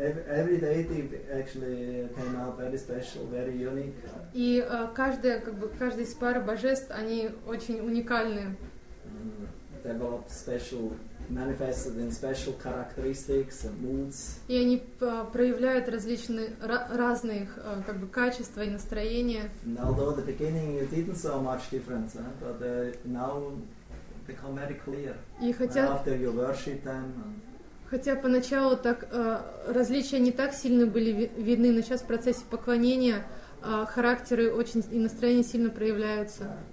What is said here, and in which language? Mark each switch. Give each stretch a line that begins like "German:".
English: Every deity actually came out very special, very unique.
Russian: И каждая, как бы, каждая из пар божеств, они очень уникальны.
English: They were special, manifested in special characteristics and moods.
Russian: И они проявляют различные разных, как бы, качества и настроения.
English: And although at the beginning you didn't see much difference, but now become very clear.
Russian: И хотя
English: after you worship them.
Russian: Хотя поначалу так различия не так сильно были видны, но сейчас в процессе поклонения характеры очень и настроение сильно проявляются.